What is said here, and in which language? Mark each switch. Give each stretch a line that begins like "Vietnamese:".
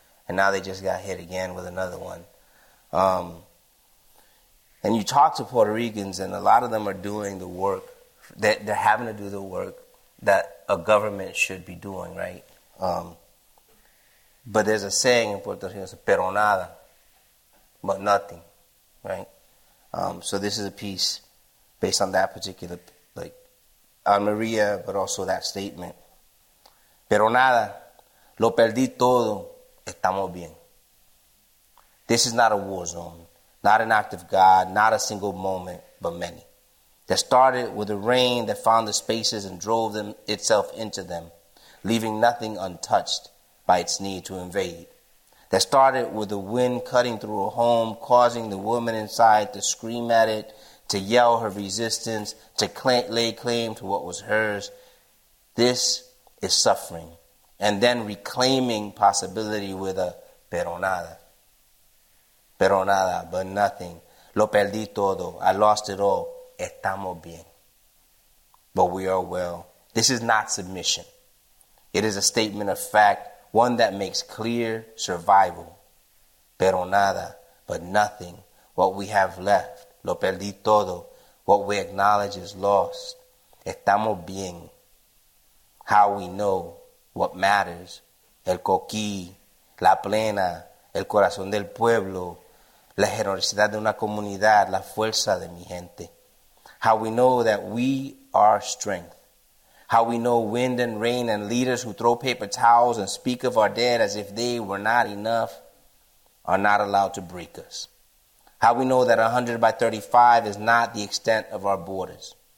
English: And now they just got hit again with another one. And you talk to Puerto Ricans, and a lot of them are doing the work, that they're having to do the work that a government should be doing, right? But there's a saying in Puerto Rico, it's a
Spanish: pero nada,
English: but nothing, right? So this is a piece based on that particular, like, Maria, but also that statement.
Spanish: Pero nada, lo perdí todo, estamos bien.
English: This is not a war zone. Not an act of God, not a single moment, but many. That started with the rain that found the spaces and drove them itself into them, leaving nothing untouched by its need to invade. That started with the wind cutting through a home, causing the woman inside to scream at it, to yell her resistance, to lay claim to what was hers. This is suffering. And then reclaiming possibility with a
Spanish: pero nada. Pero nada,
English: but nothing.
Spanish: Lo perdí todo.
English: I lost it all.
Spanish: Estamos bien.
English: But we are well. This is not submission. It is a statement of fact, one that makes clear survival.
Spanish: Pero nada,
English: but nothing. What we have left.
Spanish: Lo perdí todo.
English: What we acknowledge is lost.
Spanish: Estamos bien.
English: How we know what matters.
Spanish: El coquí, la plena, el corazón del pueblo. La generosidad de una comunidad, la fuerza de mi gente.
English: How we know that we are strength. How we know wind and rain and leaders who throw paper towels and speak of our dead as if they were not enough are not allowed to break us. How we know that 100 by 35 is not the extent of our borders.